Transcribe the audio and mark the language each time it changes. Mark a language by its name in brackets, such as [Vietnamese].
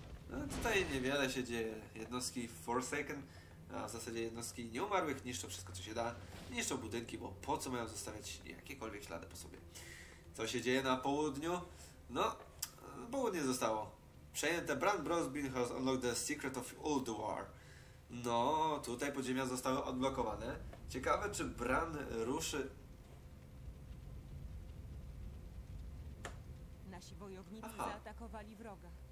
[Polish] No tutaj niewiele się dzieje. Jednostki Forsaken, a w zasadzie jednostki nieumarłych niszczą wszystko, co się da. Niszczą budynki, bo po co mają zostawiać jakiekolwiek ślady po sobie. Co się dzieje na południu? No, południe zostało przejęte. [English] Brand Brosbin has unlocked the secret of Ulduar. [Polish] No, tutaj podziemia zostały odblokowane. Ciekawe, czy Bran ruszy... Nasi wojownicy zaatakowali wroga.